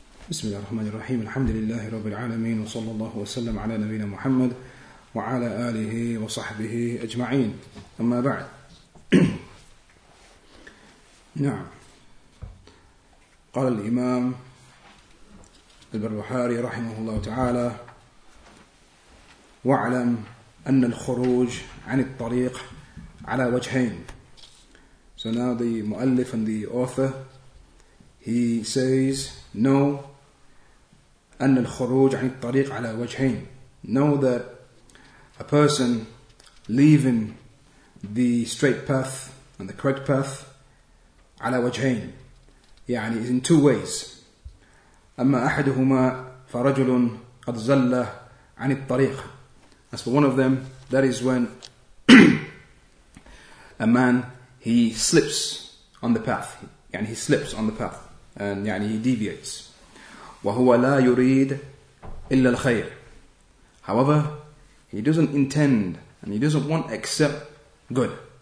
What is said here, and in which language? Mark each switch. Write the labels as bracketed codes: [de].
[ar] بسم الله الرحمن الرحيم الحمد لله رب العالمين وصلى الله وسلم على نبينا محمد وعلى آله وصحبه أجمعين أما بعد نعم قال الإمام البربحاري رحمه الله تعالى واعلم أن الخروج عن الطريق على وجهين. [en] So now the مؤلف and the author, he says, no, [ar] أن الخروج عن الطريق على وجهين. [en] Know that a person leaving the straight path and the correct path [ar] على وجهين, [en] يعني is in two ways. [ar] أما أحدهما فرجل قد زل عن الطريق. [en] As for one of them, that is when a man, he slips on the path. يعني he slips on the path and يعني he deviates. [ar] وَهُوَ لَا يُرِيدْ إِلَّا الْخَيْرِ. [en] However, he doesn't intend and he doesn't want except good.